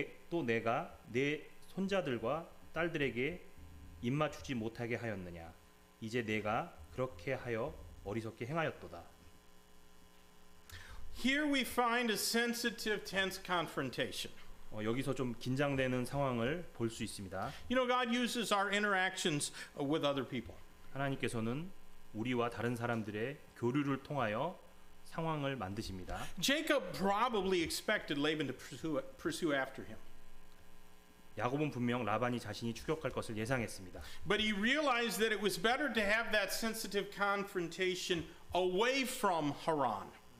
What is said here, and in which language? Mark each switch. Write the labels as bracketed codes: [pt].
[ko] 또 내가 내 손자들과 딸들에게 입맞추지 못하게 하였느냐? 이제 내가 그렇게 하여 어리석게 행하였도다. [en] Here we find a sensitive, tense confrontation. [ko] 여기서 좀 긴장되는 상황을 볼 수 있습니다. [en] You know, God uses our interactions with other people. [ko] 하나님께서는 우리와 다른 사람들의 교류를 통하여 상황을 만드십니다. [en] Jacob probably expected Laban to pursue after him. [ko] 야곱은 분명 라반이 자신이 추격할 것을 예상했습니다. [en] But he realized that it was better to have that sensitive confrontation away from Haran.